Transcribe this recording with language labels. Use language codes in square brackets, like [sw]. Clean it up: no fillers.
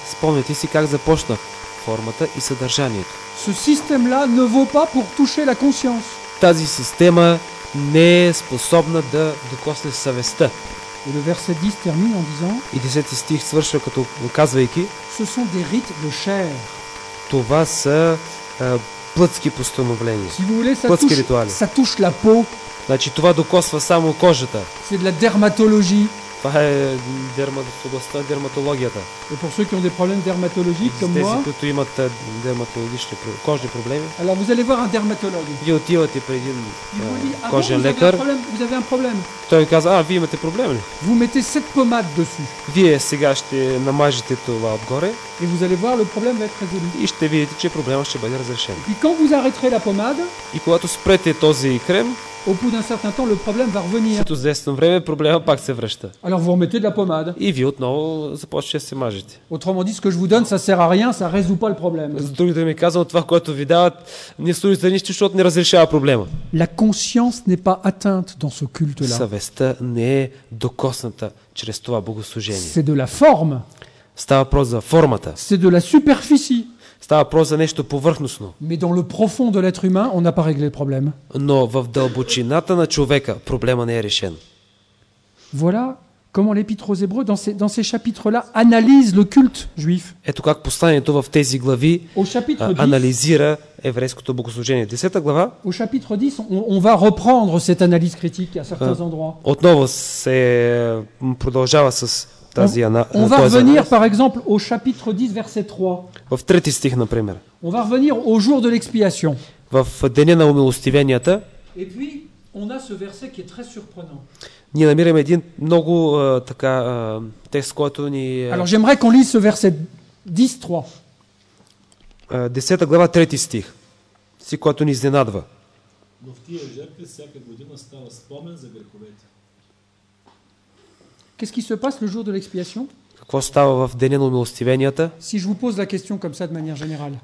[bg] Спомняте си как започнах формата и съдържанието. [fr] Ce système-là ne vaut pas pour toucher la conscience. [bg] Тази система не е способна да докосне съвестта. [fr] Et le verset 10 termine en disant, [bg] и 10 стих свършва като казвайки, [fr] ce sont des rites de chair. [bg] Това са плътски постановления. [fr] Si vous voulez, плътски [bg] ритуали. [fr] Ça touche la peau. [bg] Значи това докосва само кожата. [fr] C'est de la dermatologie. [bg] Това е дерматологията. [fr] Et pour ceux qui ont des problèmes dermatologiques comme moi. [bg] Които имат дерматологични кожни проблеми. [fr] Alors vous allez voir un dermatologue. [bg] Вие отивате при един кожен лекар. [fr] Vous avez un problème. [bg] Той казва: "А, вие имате проблем ли?" [fr] Vous mettez cette pommade dessus. [bg] Вие сега ще намажете това отгоре. [fr] Et vous allez voir le problème va être résolu. [bg] И ще видите, че проблемът ще бъде разрешен. [fr] Et quand vous arrêterez la pommade? [bg] И когато спрете този крем, [fr] au bout d'un certain temps, le problème va revenir. [bg] След известно време проблемът пак се връща. [fr] Alors vous remettez de la pommade. [bg] И вие отново започвате да се мажете. [fr] Autrement dit, ce que je vous donne, ça sert à rien, ça résout pas le problème. [bg] С други думи казвам, това, което ви дават, не служи за нищо, защото не разрешава проблема. [fr] La conscience n'est pas atteinte dans ce culte-là. [bg] Съвестта не е докосната чрез това богослужение. [fr] C'est de la forme. [bg] Става въпрос за формата. [fr] C'est de la superficie. [bg] Става въпрос за нещо повърхностно. [fr] Mais dans le profond de l'être humain, on n'a pas réglé le problème. [bg] Но в дълбочината на човека проблема не е решен. [fr] Voilà comment l'épître aux Hébreux dans ces chapitres-là analyse le culte juif. [bg] Ето как посланието в тези глави анализира еврейското богослужение. 10-та глава. [fr] Au chapitre 10, on va reprendre cette analyse critique à certains endroits. [bg] Отново се продължава с тази анализ. [fr] On va revenir par exemple au chapitre 10 verset 3. [bg] В трети стих, например. [fr] On va revenir au jour de l'expiation. [bg] В деня на умилостивенията. [fr] Et puis on a ce verset qui est très surprenant. [bg] Ние намираме един много така текст, който ни... [fr] Alors j'aimerais qu'on lise ce verset 10:3. [bg] 10-та глава, 3-ти стих, си който ни изненадва. Но в тия жертви всяка година става спомен за греховете. [fr] Qu'est-ce qui se passe le jour de l'expiation? [bg] Какво става в деня на умилостивенията? [fr] Si je vous pose la question comme ça de manière générale.